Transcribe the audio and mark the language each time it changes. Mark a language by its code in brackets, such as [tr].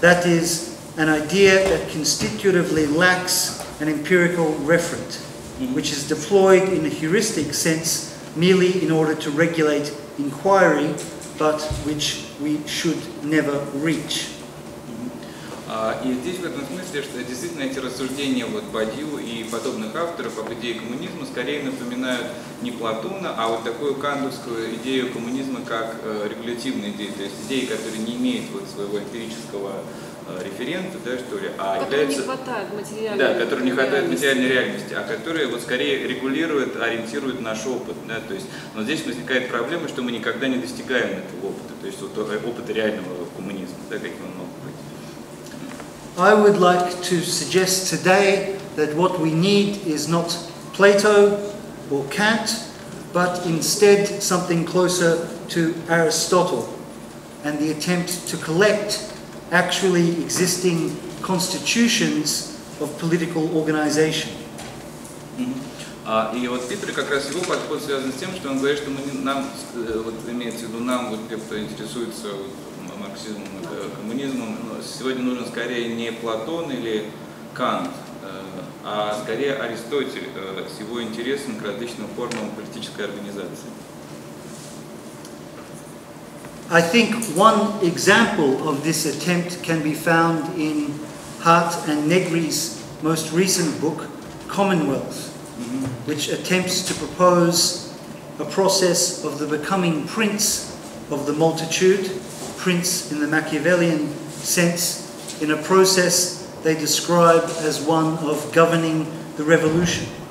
[en] That is, an idea that constitutively lacks an empirical referent, which is deployed in a heuristic sense merely in order to regulate inquiry, but which we should never reach. [ru] И здесь в этом смысле, что действительно эти рассуждения вот Бадью и подобных авторов об идее коммунизма скорее напоминают не Платона, а вот такую кантовскую идею коммунизма как регулятивная идея, то есть идея, которая не имеет вот своего эмпирического референта, да, что ли, а является, не хватает материальной, да, которая не хватает материальной реальности, а которая вот скорее регулирует, ориентирует наш опыт, да, то есть, но здесь возникает проблема, что мы никогда не достигаем этого опыта, то есть вот опыта реального коммунизма, да, как он мог быть. [en] I would like to suggest today that what we need is not Plato or Kant, but instead something closer to Aristotle and the attempt to collect actually existing constitutions of political organization. [ru] И вот Питер, как раз его подход связан с тем, что он говорит, что мы, нам, вот имеется в виду нам, вот те, кто интересуется вот, марксизмом, коммунизмом, сегодня нужен скорее не Платон или Кант, а скорее Аристотель с его интересом к различным формам политической организации. [en] I think one example of this attempt can be found in Hart and Negri's most recent book, Commonwealth, which attempts to propose a process of the becoming prince of the multitude, prince in the Machiavellian sense, in a process they describe as one of governing the revolution.